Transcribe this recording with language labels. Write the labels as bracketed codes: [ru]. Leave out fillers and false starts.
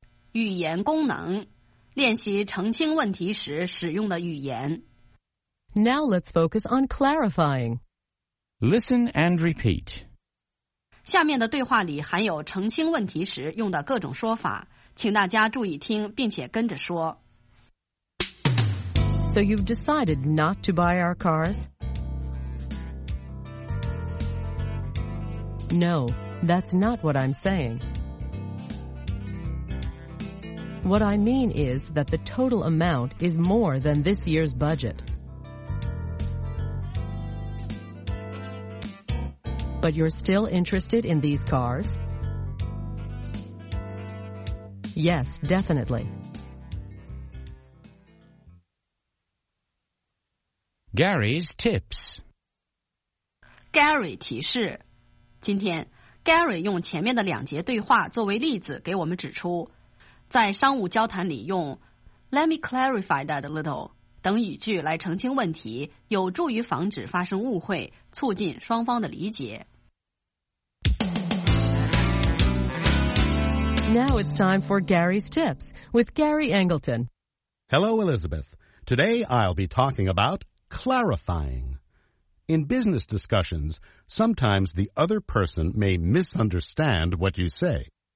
[zh] 语言功能，练习澄清问题时使用的语言。 [en] Now let's focus on clarifying. Listen and repeat. [zh] 下面的对话里含有澄清问题时用的各种说法，请大家注意听并且跟着说。 [en] So you've decided not to buy our cars? No, that's not what I'm saying. What I mean is that the total amount is more than this year's budget. But you're still interested in these cars? Yes, definitely. Gary's tips. [zh] Gary 提示，今天 Gary 用前面的两节对话作为例子给我们指出在商务交谈里用 [en] Let me clarify that a little [zh] 等语句来澄清问题，有助于防止发生误会，促进双方的理解。 [en] Now it's time for Gary's Tips with Gary Angleton. Hello, Elizabeth. Today I'll be talking about clarifying. In business discussions, sometimes the other person may misunderstand what you say.